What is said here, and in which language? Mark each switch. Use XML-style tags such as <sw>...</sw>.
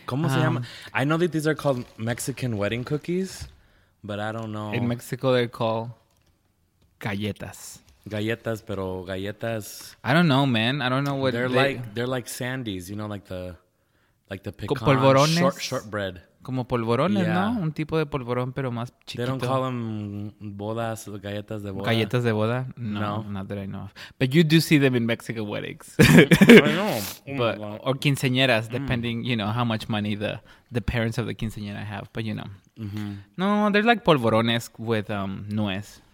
<es>¿Cómo se llama?</es> <en>I know that these are called Mexican wedding cookies, but I don't know. In Mexico, they're called galletas.</en> <es>Galletas, pero galletas...</es> <en>I don't know, man. I don't know what... They're like sandies, you know, like the pecan...</en> <es>Polvorones. Shortbread. Como polvorones,</es> <en>yeah.</en> <es>¿No? Un tipo de polvorón, pero más chiquito.</es> <en>They don't call them bodas,</en> <es>galletas de boda. ¿Galletas de boda?</es> <en>No. Not that I know of. But you do see them in Mexican weddings. I know. Or quinceañeras, depending, you know, how much money the parents of the quinceañera have. But, you know. Mm-hmm. No, they're like polvorones with nuez.</en>